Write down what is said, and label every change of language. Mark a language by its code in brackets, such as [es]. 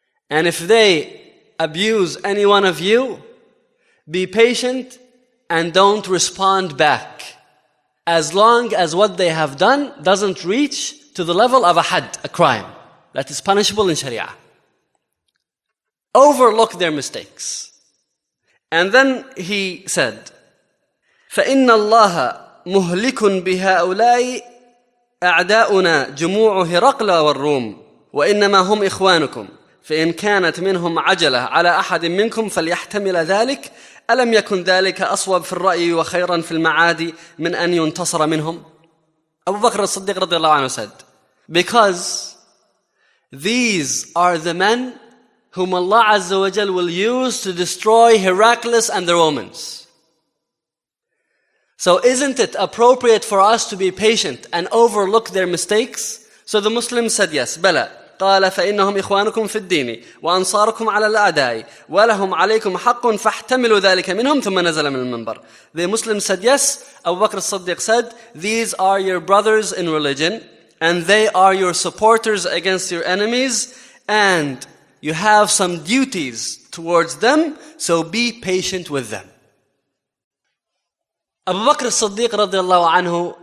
[en] And if they abuse any one of you, be patient and don't respond back. As long as what they have done doesn't reach to the level of a had, a crime that is punishable in Sharia. Overlook their mistakes. And then he said, [ar] فَإِنَّ اللَّهَ مُهْلِكٌ بِهَاؤُلَاءِ أَعْدَاؤُنَا جُمُوعُ هِرَقْلَ وَالرُّومِ وَإِنَّمَا هُمْ إِخْوَانُكُمْ فإن كانت منهم عجلة على أحد منكم فليحتمل ذلك ألم يكن ذلك أصوب في الرأي وخيرا في المعادي من أن ينتصر منهم. [en] أبو بكر الصديق [ar] رضي الله عنه [en] said, because these are the men whom Allah Azza wa Jal will use to destroy Heracles and the Romans. So isn't it appropriate for us to be patient and overlook their mistakes? So the Muslims said yes. [ar] بلى. قال فإنهم إخوانكم في الدين وأنصاركم على الأعداء ولهم عليكم حق فاحتملوا ذلك منهم ثم نزل من المنبر. [en] The Muslim said yes. Abu Bakr as-Siddiq said, these are your brothers in religion and they are your supporters against your enemies, and you have some duties to towards them, so be patient with them. Abu Bakr as-Siddiq radiallahu anhu,